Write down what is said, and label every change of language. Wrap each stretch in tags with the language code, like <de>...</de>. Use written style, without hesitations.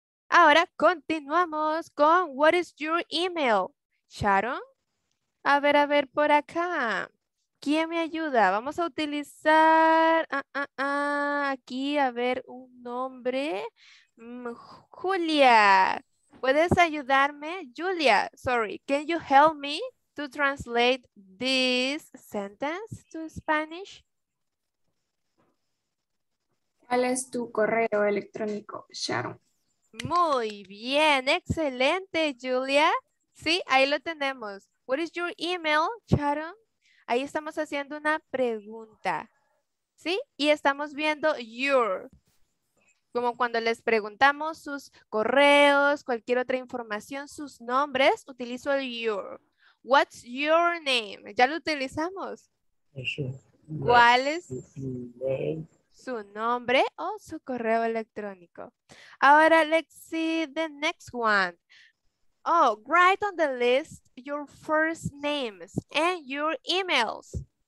<es>Ahora continuamos con</es> <en>what is your email, Sharon?</en> <es>A ver por acá. ¿Quién me ayuda? Vamos a utilizar aquí, a ver, un nombre. Julia, ¿puedes ayudarme?</es> <en>Julia, sorry, can you help me to translate this sentence to Spanish?</en> <es>¿Cuál es tu correo electrónico, Sharon? Muy bien, excelente, Julia. Sí, ahí lo tenemos.</es> <en>What is your email, Sharon?</en> <es>Ahí estamos haciendo una pregunta, ¿sí? Y estamos viendo your, como cuando les preguntamos sus correos, cualquier otra información, sus nombres, utilizo el your.</es> <en>What's your name?</en> <es>¿Ya lo utilizamos? ¿Cuál es su nombre o su correo electrónico? Ahora,</es> <en>let's see the next one. Oh, write on the list your first names and your emails.</en>